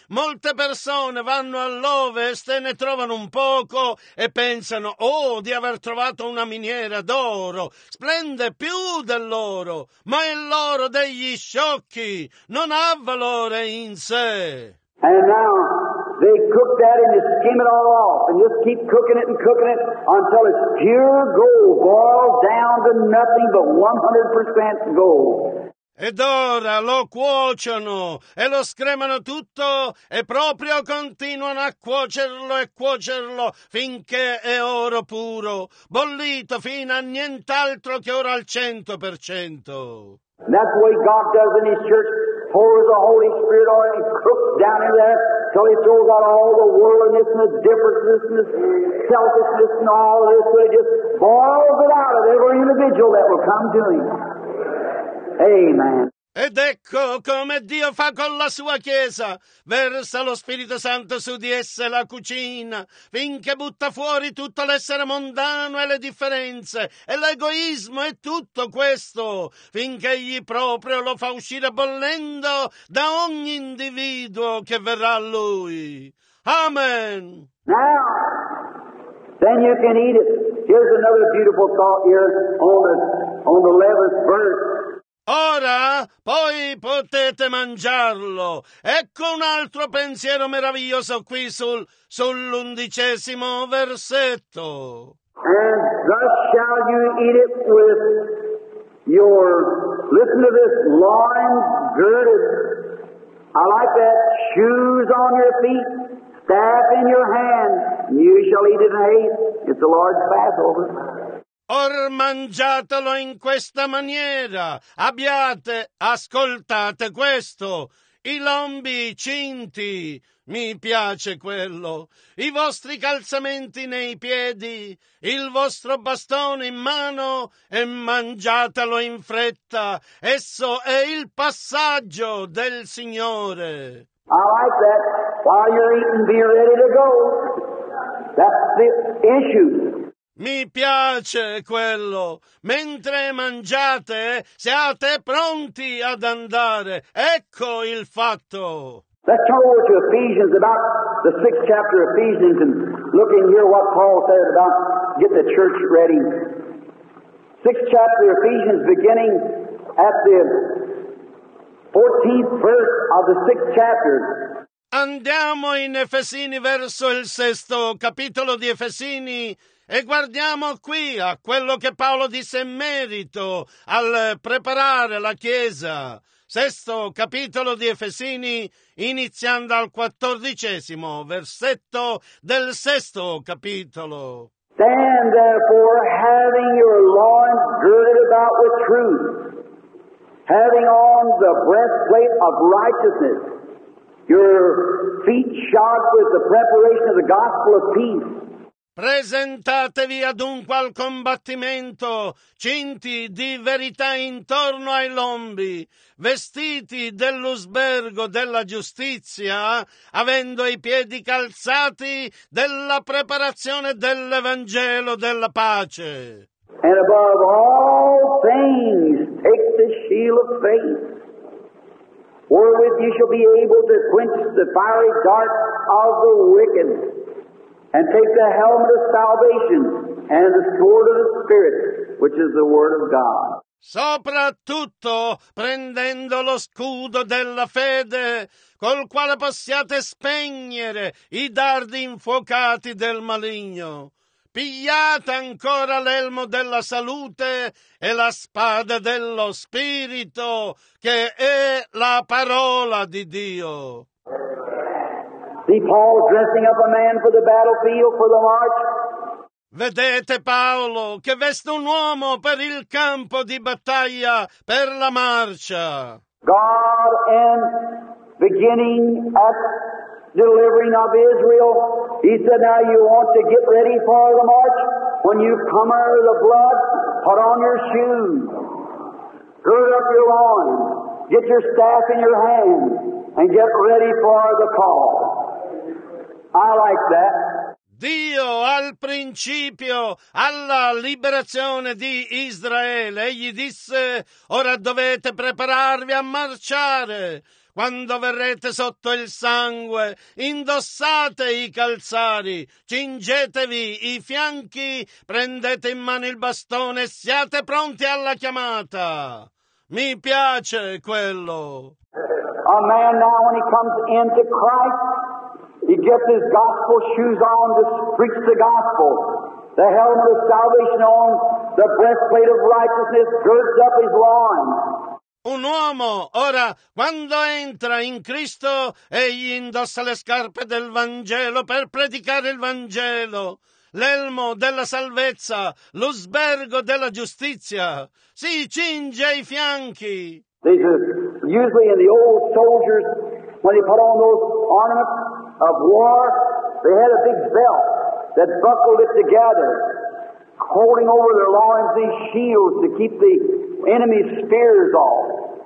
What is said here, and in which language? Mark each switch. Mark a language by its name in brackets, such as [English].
[Italian] Molte persone vanno all'ovest e ne trovano un poco e pensano, di aver trovato una miniera d'oro. Splende più dell'oro. Ma è l'oro degli sciocchi. Non ha valore in sé. [English] And now they cook that and just skim it all off and just keep cooking it and cooking it until it's pure gold, boiled down to nothing but 100% gold. [Italian] Ed ora lo cuociono e lo scremano tutto e proprio continuano a cuocerlo e cuocerlo finché è oro puro, bollito fino a nient'altro che ora al 100%. [English] That's what God does in His church. Pours the Holy Spirit on and cooks down in there till He throws out all the worldliness and the differences and the selfishness and all this. So He just boils it out of every individual that will come to Him. Amen. [Italian] Ed ecco come Dio fa con la sua Chiesa. Versa lo Spirito Santo su di essa e la cucina, finché butta fuori tutto l'essere mondano e le differenze, e l'egoismo e tutto questo, finché egli proprio lo fa uscire bollendo da ogni individuo che verrà a lui. Amen! [English] Now, then you can eat it. Here's another beautiful thought here on the 11th verse. [Italian] Ora, poi potete mangiarlo. Ecco un altro pensiero meraviglioso qui sull'undicesimo versetto. [English] And thus shall you eat it with your, listen to this, loins girded. I like that, shoes on your feet, staff in your hand, and you shall eat it in haste. It's a large Passover. [Italian] Or mangiatelo in questa maniera, abbiate, ascoltate questo, i lombi cinti, mi piace quello, i vostri calzamenti nei piedi, il vostro bastone in mano e mangiatelo in fretta, esso è il passaggio del Signore. [English] I like that, while you're eating be ready to go, that's the issue. [Italian] Mi piace quello. Mentre mangiate, siate pronti ad andare. Ecco il fatto. [English] Let's turn over to Ephesians, about the 6th chapter of Ephesians, and look in here what Paul said about get the church ready. 6th chapter of Ephesians, beginning at the 14th verse of the 6th chapter. [Italian] Andiamo in Efesini verso il 6° capitolo di Efesini, e guardiamo qui a quello che Paolo disse in merito al preparare la Chiesa. 6° capitolo di Efesini, iniziando al 14° versetto del 6° capitolo. [English] Stand therefore, having your loins girded about with truth, having on the breastplate of righteousness, your feet shod with the preparation of the gospel of peace. [Italian] Presentatevi adunque al combattimento, cinti di verità intorno ai lombi, vestiti dell'usbergo della giustizia, avendo i piedi calzati della preparazione dell'Evangelo della pace. [English] And above all things, take the shield of faith, wherewith you shall be able to quench the fiery dart of the wicked. And take the helmet of salvation and the sword of the Spirit, which is the Word of God. [Italian] Soprattutto, prendendo lo scudo della fede, col quale possiate spegnere i dardi infuocati del maligno. Pigliate ancora l'elmo della salute e la spada dello Spirito, che è la parola di Dio. [English] See Paul dressing up a man for the battlefield, for the march. [Italian] Vedete Paolo che veste un uomo per il campo di battaglia, per la marcia. [English] God in beginning at delivering of Israel, he said, now you want to get ready for the march. When you come out of the blood, put on your shoes, gird up your loins, get your staff in your hand, and get ready for the call. I like that. [Italian] Dio al principio, alla liberazione di Israele, egli disse, ora dovete prepararvi a marciare. Quando verrete sotto il sangue, indossate i calzari, cingetevi i fianchi, prendete in mano il bastone, siate pronti alla chiamata. Mi piace quello. [English] A man now when he comes into Christ, he gets his gospel shoes on to preach the gospel, the helmet of salvation on, the breastplate of righteousness girds up his loins. [Italian] Un uomo, ora, quando entra in Cristo, egli indossa le scarpe del Vangelo per predicare il Vangelo, l'elmo della salvezza, l'usbergo della giustizia. Si cinge i fianchi. [English] Usually in the old soldiers, when they put on those ornaments of war, they had a big belt that buckled it together, holding over their loins these shields to keep the enemy's spears off.